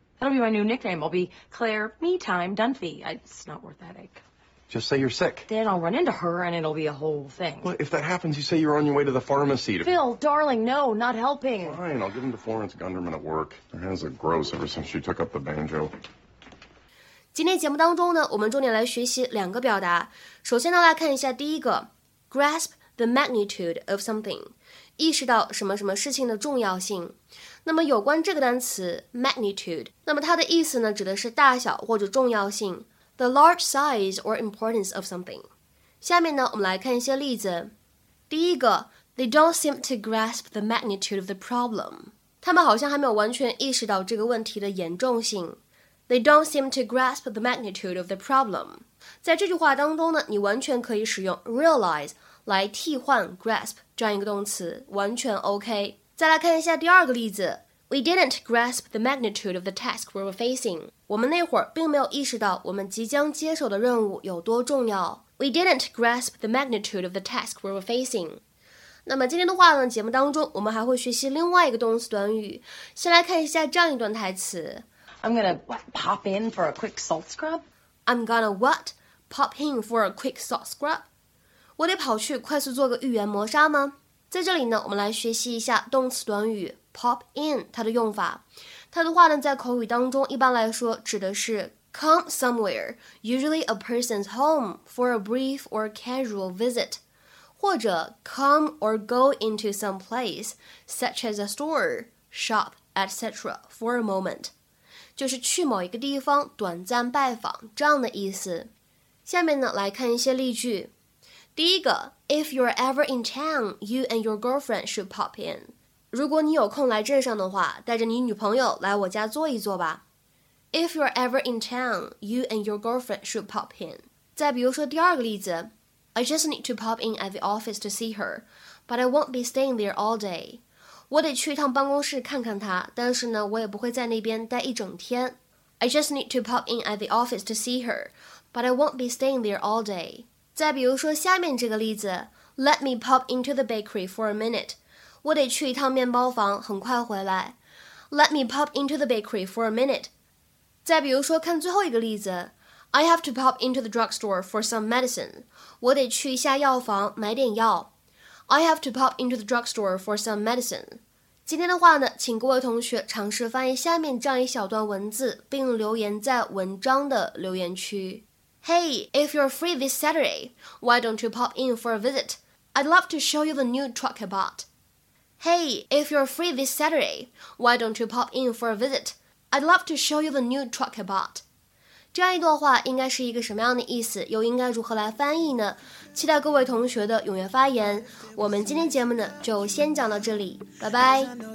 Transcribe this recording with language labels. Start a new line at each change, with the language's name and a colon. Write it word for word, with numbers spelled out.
English: That'll be my new nickname. I'll be Claire Me Time Dunphy. I, it's not worth that ache. Just say you're sick. Then I'll run into her and it'll be a whole thing. Well, if that happens, you say you're on your way to the pharmacy. To... Phil, darling, no, not helping. Fine, I'll give them to Florence Gunderman at work. Her hands are gross ever since she took up the banjo.
Chinese: 今天节目当中呢，我们重点来学习两个表达。首先呢，来看一下第一个
English: grasp the magnitude of something，
Chinese: 意识到什么什么事情的重要性。那么有关这个单词 magnitude， 那么它的意思呢，指的是大小或者重要性
English: the large size or importance of something。
Chinese: 下面呢，我们来看一些例子。第一个
English: they don't seem to grasp the magnitude of the problem，
Chinese: 他们好像还没有完全意识到这个问题的严重性。
English: They don't seem to grasp the magnitude of the problem，
Chinese: 在这句话当中呢，你完全可以使用 realize 来替换 grasp 这样一个动词，完全 OK。再来看一下第二个例子
English: We didn't grasp the magnitude of the task we were facing，
Chinese: 我们那会儿并没有意识到我们即将接手的任务有多重要。
English: We didn't grasp the magnitude of the task we were facing。
Chinese: 那么今天的话呢，节目当中我们还会学习另外一个动词短语。先来看一下这样一段台词
English: I'm gonna what, pop in for a quick salt scrub. I'm gonna what? Pop in for a quick salt scrub。
Chinese: 我得跑去快速做个浴盐磨砂吗？在这里呢，我们来学习一下动词短语 pop in 它的用法。它的话呢，在口语当中一般来说指的是
English: come somewhere, usually a person's home for a brief or casual visit，
Chinese: 或者
English: come or go into some place such as a store, shop, et cetera for a moment，
Chinese: 就是去某一个地方短暂拜访这样的意思。下面呢，来看一些例句。第一个
English: If you're ever in town, you and your girlfriend should pop in.
Chinese: 如果你有空来镇上的话，带着你女朋友来我家坐一坐吧。
English: If you're ever in town, you and your girlfriend should pop in.
Chinese: 再比如说第二个例子
English: I just need to pop in at the office to see her, but I won't be staying there all day.
Chinese: 我得去一趟办公室看看她，但是呢，我也不会在那边待一整天。
English: I just need to pop in at the office to see her, but I won't be staying there all day.
Chinese: 再比如说下面这个例子
English: Let me pop into the bakery for a minute.
Chinese: 我得去一趟面包房，很快回来。
English: Let me pop into the bakery for a minute.
Chinese: 再比如说，看最后一个例子
English: ，I have to pop into the drugstore for some medicine.
Chinese: 我得去一下药房买点药。
English: I have to pop into the drugstore for some medicine.
Chinese: 今天的话呢，请各位同学尝试翻译下面这样一小段文字，并留言在文章的留言区。
English: Hey, if you're free this Saturday, why don't you pop in for a visit? I'd love to show you the new truck I bought. Hey, if you're free this Saturday, why don't you pop in for a visit? I'd love to show you the new truck I bought.
Chinese: 这样一段话应该是一个什么样的意思？又应该如何来翻译呢？期待各位同学的踊跃发言。我们今天节目呢就先讲到这里，拜拜。